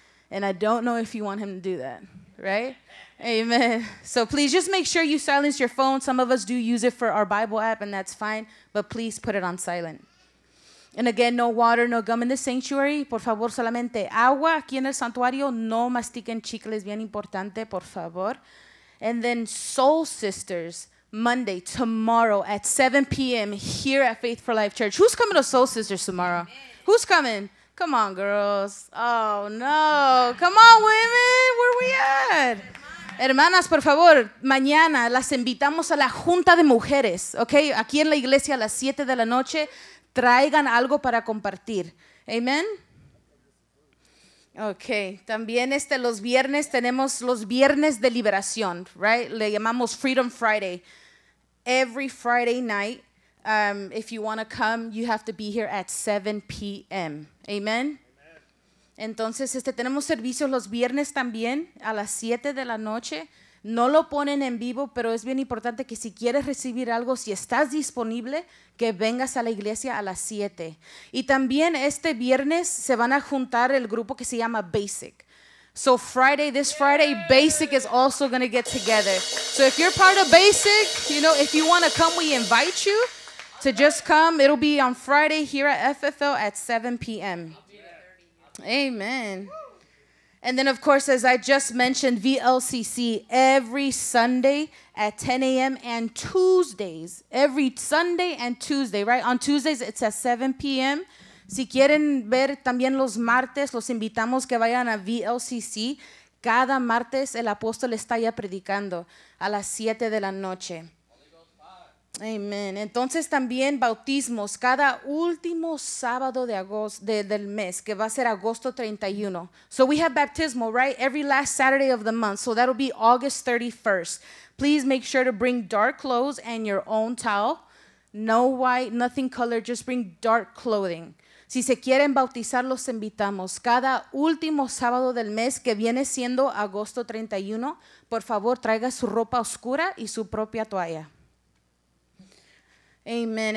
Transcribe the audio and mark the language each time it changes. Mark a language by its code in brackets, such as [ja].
[en] And I don't know if you want him to do that. Right? Amen. So please just make sure you silence your phone. Some of us do use it for our Bible app, and that's fine. But please put it on silent. And again, no water, no gum in the sanctuary. [es] Por favor, solamente agua aquí en el santuario. No mastiquen chicles. Bien importante, por favor. [en] And then Soul Sisters, Monday, tomorrow at 7 p.m. here at Faith for Life Church. Who's coming to Soul Sisters tomorrow? Amen. Who's coming? Come on, girls. Oh, no. Come on, women. Where we at? [es] Hermanas, por favor, mañana las invitamos a la Junta de Mujeres, ¿ok? Aquí en la iglesia a las 7 de la noche. Traigan algo para compartir. ¿Amén? Ok. También los viernes tenemos los viernes de liberación, ¿right? Le llamamos Freedom Friday. [en] Every Friday night, if you want to come, you have to be here at 7 p.m. [es] ¿Amén? Entonces, tenemos servicios los viernes también a las 7 de la noche. No lo ponen en vivo, pero es bien importante que si quieres recibir algo, si estás disponible, que vengas a la iglesia a las 7. Y también este viernes se van a juntar el grupo que se llama Basic. [en] So Friday, this Friday, Basic is also going to get together. So if you're part of Basic, you know, if you want to come, we invite you to just come. It'll be on Friday here at FFL at 7 p.m. Amen. And then, of course, as I just mentioned, VLCC every Sunday at 10 a.m. and Tuesdays. Every Sunday and Tuesday, right? On Tuesdays, it's at 7 p.m. [es] Si quieren ver también los martes, los invitamos que vayan a VLCC. Cada martes el apóstol está ya predicando a las 7 de la noche. Amén. Entonces también bautismos cada último sábado de agosto, del mes, que va a ser agosto 31. [en] So we have baptismo, right? Every last Saturday of the month. So that'll be August 31st. Please make sure to bring dark clothes and your own towel. No white, nothing color, just bring dark clothing. [es] Si se quieren bautizar, los invitamos. Cada último sábado del mes, que viene siendo agosto 31, por favor, traiga su ropa oscura y su propia toalla. Amen.